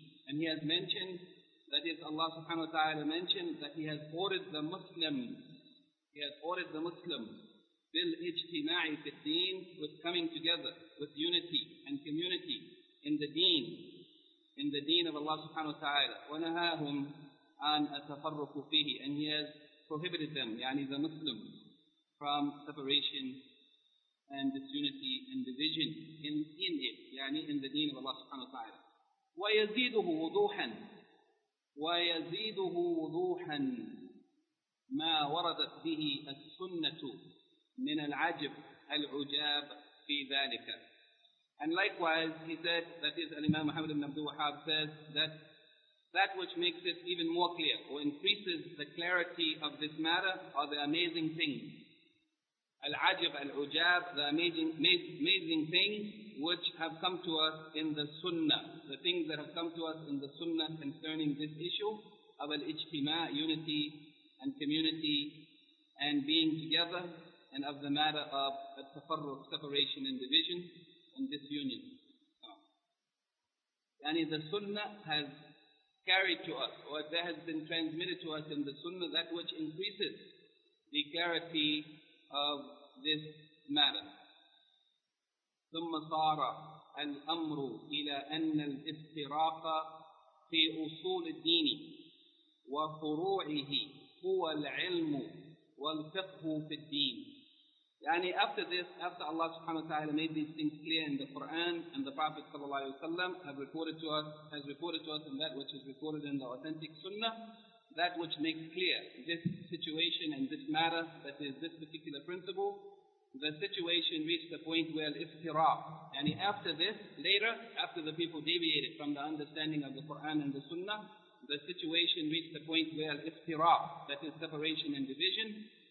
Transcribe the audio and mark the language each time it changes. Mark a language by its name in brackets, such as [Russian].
[English] And he has mentioned, that is Allah subhanahu wa ta'ala mentioned, that he has ordered the Muslims, [Arabic] بِالْإِجْتِمَاعِ فِي الدِّينِ, [English] with coming together, with unity and community in the deen of Allah subhanahu wa ta'ala. [Arabic] وَنَهَاهُمْ عَنْ أَتَفَرُّقُ فِيهِ. [English] And he has prohibited them, يعني the Muslims, from separation and disunity and division in it, يعني in the deen of Allah subhanahu wa ta'ala. [Arabic] وَيَزِيدُهُ وُضُوحًا وَيَزِيدُهُ وُضُوحًا مَا وَرَدَتْ بِهِ السُّنَّةُ من العجب العجاب في ذلك. [English] And likewise, he said, that is Imam Muhammad ibn Abdul Wahhab says, that which makes it even more clear or increases the clarity of this matter are the amazing things. [Arabic] العجب العجاب, [English] the amazing things which have come to us in the Sunnah, the things that have come to us in the Sunnah concerning this issue of al-ijtima', unity and community and being together, and of the matter of التفرق, separation and division and disunion. Yani the Sunnah has carried to us, or there has been transmitted to us in the Sunnah, that which increases the clarity of this matter. [Arabic] ثم صار الأمر إلى أن الافتراق في أصول الدين وفروعه هو العلم والفقه في الدين. [English] Yani after this, after Allah subhanahu wa ta'ala made these things clear in the Quran and the Prophet sallallahu alayhi wa sallam has reported to us in that which is recorded in the authentic Sunnah, that which makes clear this situation and this matter, that is this particular principle, the situation reached the point where al-iftiraq, yani after this, later, after the people deviated from the understanding of the Quran and the Sunnah, the situation reached the point where al-iftiraq, that is separation and division,